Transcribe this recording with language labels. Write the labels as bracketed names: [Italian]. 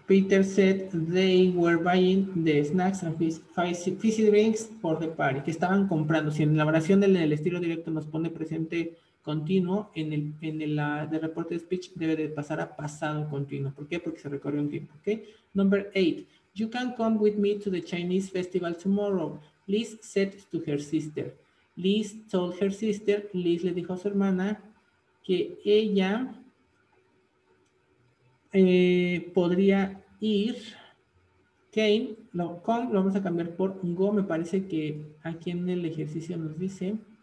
[English] Peter said they were buying the snacks and fizzy drinks for the party. [Spanish] Que estaban comprando. Si en la oración del estilo directo nos pone presente continuo, en el reporte de speech debe de pasar a pasado continuo. ¿Por qué? Porque se recorrió un tiempo. ¿Okay? [English] Number eight. You can come with me to the Chinese festival tomorrow. Liz said to her sister. Liz told her sister, [Spanish] Liz le dijo a su hermana que ella podría ir. Kane, lo vamos a cambiar por go, me parece que aquí en el ejercicio nos dice.